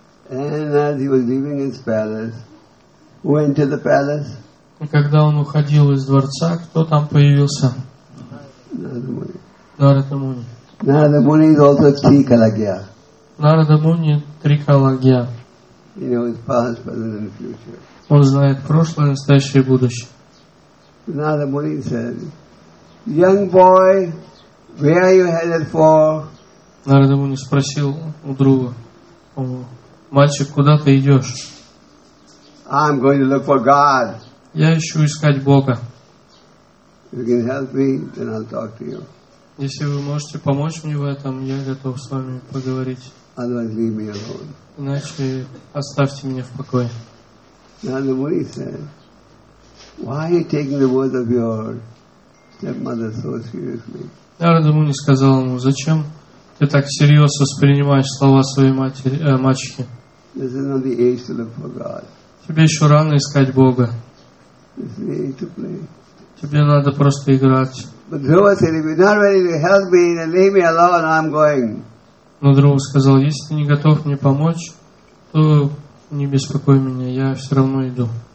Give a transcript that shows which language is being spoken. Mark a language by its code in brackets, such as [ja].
[en] And as he was leaving his palace, who entered the palace? [ru] И когда он уходил из дворца, кто там появился? [en] Narada Muni. Narada Muni is also Trikalagya. Narada Muni Trikalagya. He knows past, present, and future. [ru] Он знает прошлое, настоящее и будущее. [en] Narada Muni said, young boy, where are you headed for? [ru] Narada Muni спросил у друга, мальчик, куда ты идешь? [en] I'm going to look for God. [ru] Я ищу искать Бога. [en] You can help me, then I'll talk to you. [ru] Если вы можете помочь мне в этом, я готов с вами поговорить. [en] Otherwise, leave me alone. [ru] Иначе оставьте меня в покое. [en] Narada Muni said, why are you taking the word of your stepmother so seriously? [ru] Narada Muni сказал ему, зачем ты так серьезно воспринимаешь слова своей матери, мачехи? [en] This is not the age to look for God. [ru] Тебе еще рано искать Бога. Тебе надо просто играть. Но Друва сказал, если ты не готов мне помочь, то не беспокой меня, я все равно иду.